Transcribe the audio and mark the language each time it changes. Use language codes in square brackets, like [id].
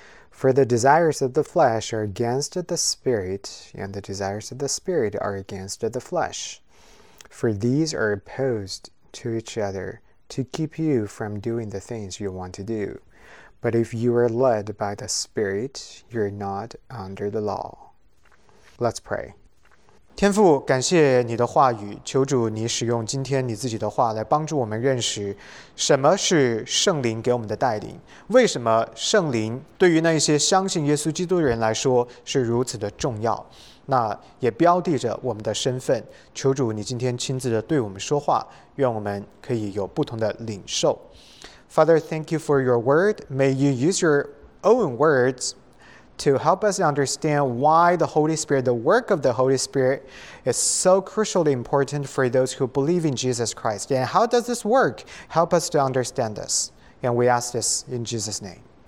[en] For the desires of the flesh are against the Spirit, and the desires of the Spirit are against the flesh. For these are opposed to each other, to keep you from doing the things you want to do. But if you are led by the Spirit, you're not under the law. Let's pray. [zh] 天父，感谢你的话语，求主你使用今天你自己的话来帮助我们认识什么是圣灵给我们的带领，为什么圣灵对于那些相信耶稣基督的人来说是如此的重要，那也标记着我们的身份。求主你今天亲自的对我们说话，愿我们可以有不同的领受。 [en] Father, thank you for your word. May you use your own words to help us understand why the Holy Spirit, the work of the Holy Spirit, is so crucially important for those who believe in Jesus Christ. And how does this work? Help us to understand this. And we ask this in Jesus' name.